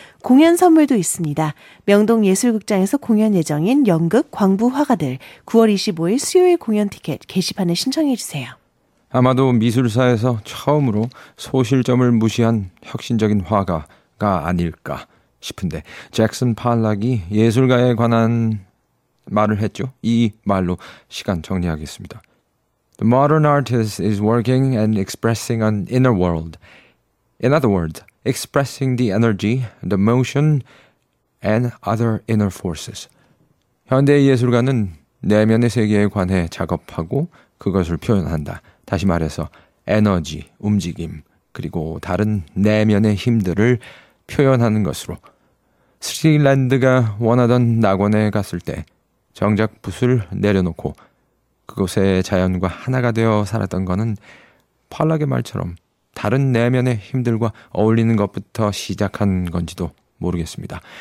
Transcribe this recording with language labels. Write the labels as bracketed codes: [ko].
[ko] 공연 선물도 있습니다. 명동 예술극장에서 공연 예정인 연극 광부 화가들 9월 25일 수요일 공연 티켓 게시판에 신청해 주세요. 아마도 미술사에서 처음으로 소실점을 무시한 혁신적인 화가가 아닐까 싶은데 잭슨 팔락이 예술가에 관한 말을 했죠. 이 말로 시간 정리하겠습니다. [en] The modern artist is working and expressing an inner world. In other words, expressing the energy, the motion, and other inner forces. [ko] 현대 예술가는 내면의 세계에 관해 작업하고 그것을 표현한다. 다시 말해서 에너지, 움직임, 그리고 다른 내면의 힘들을 표현하는 것으로 스틸랜드가 원하던 낙원에 갔을 때 정작 붓을 내려놓고 그곳의 자연과 하나가 되어 살았던 것은 팔락의 말처럼 다른 내면의 힘들과 어울리는 것부터 시작한 건지도 모르겠습니다.